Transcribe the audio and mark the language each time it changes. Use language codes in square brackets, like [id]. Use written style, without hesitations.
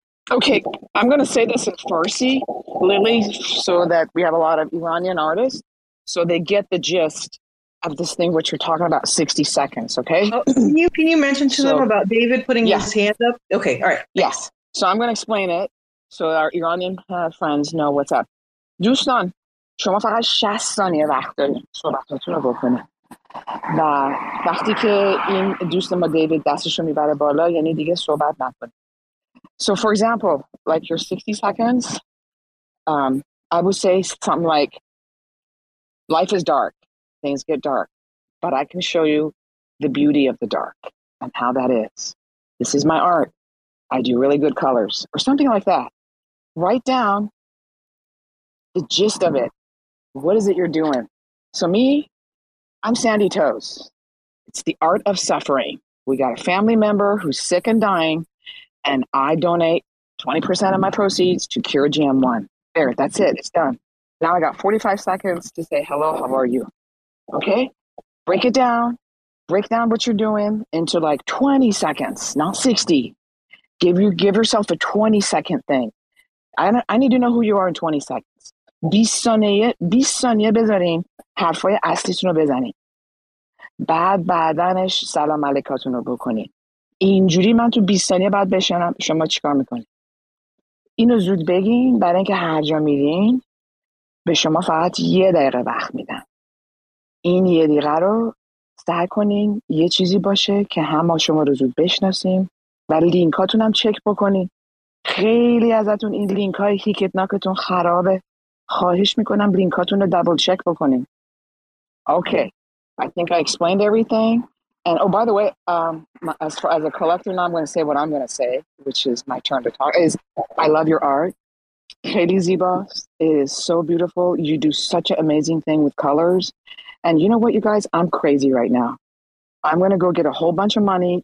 [en] Okay, I'm going to say this in Farsi, Lily, so that we have a lot of Iranian artists, so they get the gist of this thing, which you're talking about, 60 seconds, okay? Oh, can you mention to them about David putting his hand up? Okay, all right. Yes. So I'm going to explain it so our Iranian friends know what's up. [fa] دوستان، شما فقط 60 ثانیه وقت دارید صحبتاتون رو بکنید. و وقتی که این دوست ما دیوید دستش رو میبره بالا، یعنی دیگه صحبت نکنید. [en] So for example, like your 60 seconds, I would say something like, life is dark, things get dark, but I can show you the beauty of the dark and how that is. This is my art. I do really good colors, or something like that. Write down the gist of it. What is it you're doing? So me, I'm Sandy Toes. It's the art of suffering. We got a family member who's sick and dying, and I donate 20% of my proceeds to Cure GM1. There, that's it. It's done. Now I got 45 seconds to say, hello, how are you? Okay? Break it down. Break down what you're doing into like 20 seconds, not 60. Give yourself a 20-second thing. I need to know who you are in 20 seconds. [fa] 20 ثانیه بذارین حرفای اصلیتون رو بزنین. بعد بعدنش سلام علیکاتون رو بکنین. اینجوری من تو 20 ثانیه بعد بشنم شما چیکار میکنین. اینو زود بگین برای اینکه هر جا میرین به شما فقط یه دقیقه وقت میدم. این یه دقیقه رو سعی کنین یه چیزی باشه که هم ما شما رو زود بشناسیم و لینکاتون هم چک بکنین. خیلی ازتون این لینک های هیکتناکتون خرابه. خواهش میکنم لینکاتون رو دابل چک بکنین. [en] Okay, I think I explained everything. And oh, by the way, as a collector, now I'm going to say what I'm going to say, which is my turn to talk, is I love your art. Katie Zibos, it is so beautiful. You do such an amazing thing with colors. And you know what, you guys? I'm crazy right now. I'm going to go get a whole bunch of money.